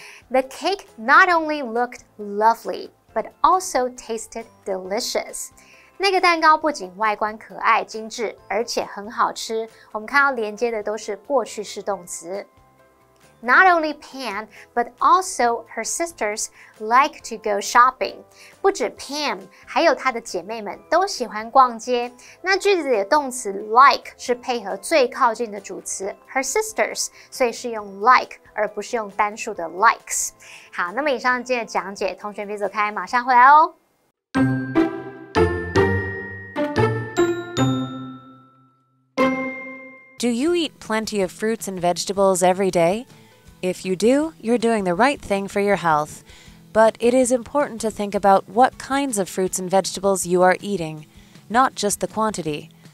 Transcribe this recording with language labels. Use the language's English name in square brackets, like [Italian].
[English] The cake not only looked lovely, but also tasted delicious. [Chinese] 那个蛋糕不仅外观可爱精致，而且很好吃。我们看到连接的都是过去式动词。 [English] Not only Pam, but also her sisters like to go shopping. [Chinese] 不止 Pam, 还有她的姐妹们都喜欢逛街。那句子里的动词 like 是配合最靠近的主词 [English] her sisters, [Chinese] 所以是用 like, 而不是用单数的 likes. 好，那么以上今天的讲解，同学别走开，马上回来哦。 [English] Do you eat plenty of fruits and vegetables every day? If you do, you're doing the right thing for your health. But it is important to think about what kinds of fruits and vegetables you are eating, not just the quantity.